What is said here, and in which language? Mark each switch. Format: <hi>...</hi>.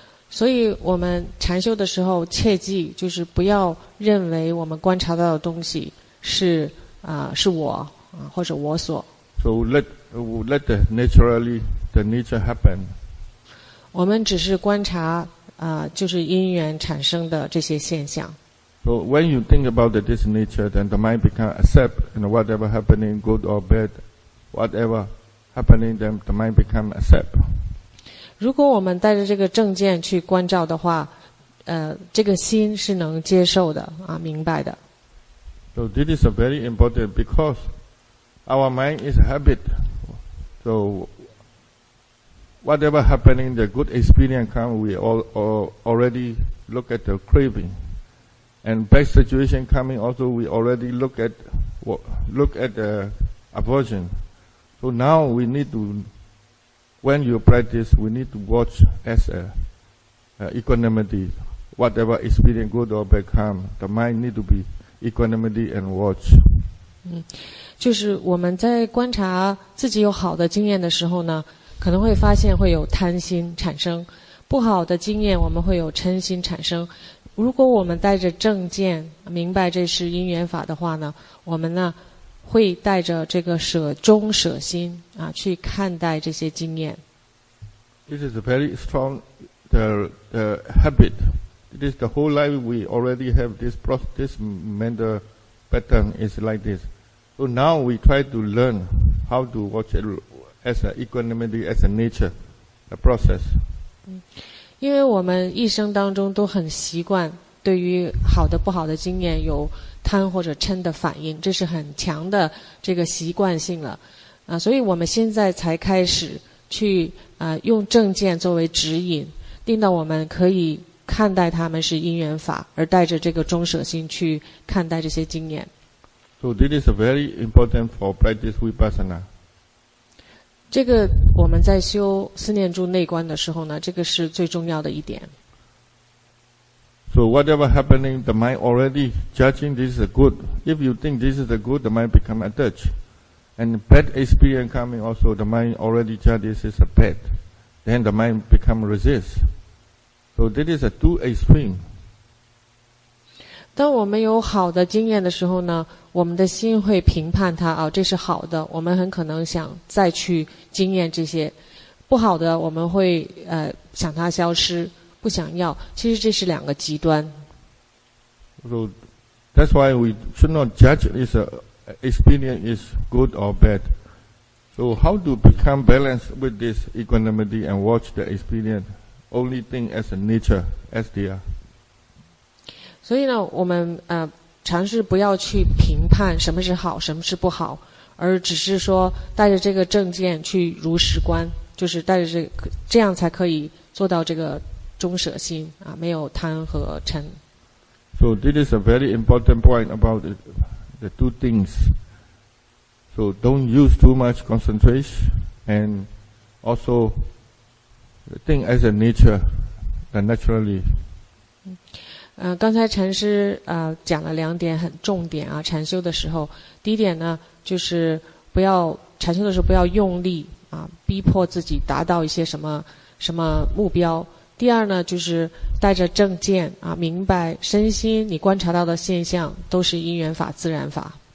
<zh>所以我们禅修的时候切记，就是不要认为我们观察到的东西是是我或者我所。</zh> <en>So let the nature happen.</en> <zh>我们只是观察就是因缘产生的这些现象。</zh> <en>So when you think about this nature, then the mind becomes accept, you know, whatever happening, good or bad, whatever happening, then the mind becomes accept.</en> <zh>如果我们带着这个正见去观照的话，这个心是能接受的啊，明白的。</zh> <en>So this is very important because our mind is habit. So whatever happening, the good experience come, we already look at the craving. And bad situation coming also, we already look at the aversion. So now we need to, when you practice, we need to watch as a equanimity. Whatever experience, good or bad, come, the mind need to be equanimity and watch.</en> <zh>就是我们在观察自己有好的经验的时候呢，可能会发现会有贪心产生，不好的经验我们会有嗔心产生。如果我们带着正见明白这是因缘法的话呢，我们呢会带着这个舍中舍心啊去看待这些经验。</zh> <en>This is a very strong the habit. It is the whole life we already have this mental pattern is like this. So now we try to learn how to watch it as an equanimity, as a nature, a process.</en> <zh>因为我们一生当中都很习惯对于好的不好的经验有贪或者嗔的反应，这是很强的这个习惯性了，所以我们现在才开始去用正见作为指引，令到我们可以看待他们是因缘法，而带着这个中舍心去看待这些经验。</zh> <en>So this is very important for practice vipassana.</en> <zh>这个我们在修思念住内观的时候呢，这个是最重要的一点。</zh> <en>So whatever happening, the mind already judging this is a good. If you think this is a good, the mind become attached. And bad experience coming also, the mind already judge this is a bad. Then the mind become resist. So this is a two extreme.</en> <zh>当我们有好的经验的时候呢，我们的心会评判它啊，这是好的，我们很可能想再去经验这些；不好的，我们会想它消失，不想要。其实这是两个极端。</zh> <en>So that's why we should not judge this experience is good or bad. So how to become balanced with this equanimity and watch the experience only thing as a nature as they are.</en> <zh>所以呢，我们尝试不要去评判什么是好什么是不好，而只是说带着这个正见去如实观，就是带着这样才可以做到这个中舍心啊，没有贪和嗔。</zh> <en>So this is a very important point about the two things. So don't use too much concentration and also think as a nature and naturally.</en> <zh>刚才禅师讲了两点很重点啊，禅修的时候，第一点呢，就是不要禅修的时候不要用力啊，逼迫自己达到一些什么什么目标。第二呢，就是带着正见啊，明白身心你观察到的现象都是因缘法、自然法。</zh>